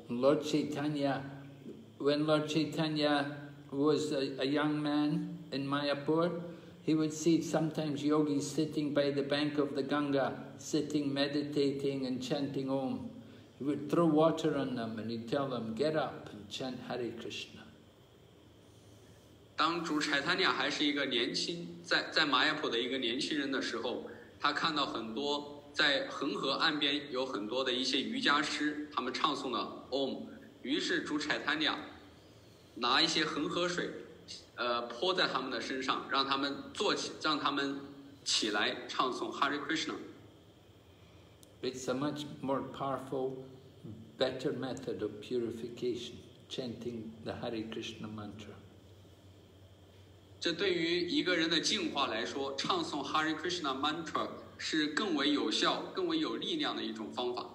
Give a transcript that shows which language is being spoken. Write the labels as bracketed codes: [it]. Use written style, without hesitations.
[en] Lord Chaitanya, when Lord Chaitanya,was a young man in Mayapur, he would see sometimes yogis sitting by the bank of the Ganga, sitting, meditating and chanting Om. He would throw water on them and he'd tell them, get up and chant Hare Krishna. [zh] 当主柴坦尼亚还是一个年轻，在马亚普的一个年轻人的时候，他看到很多在恒河岸边有很多的一些瑜伽师，他们唱诵了 Om, 于是主柴坦尼亚拿一些恒河水，泼在他们的身上，让他们坐起，让他们起来唱诵 Hare Krishna。 [en] It's a much more powerful, better method of purification, chanting the Hare Krishna mantra. [zh] 这对于一个人的净化来说，唱诵 Hare Krishna mantra 是更为有效、更为有力量的一种方法。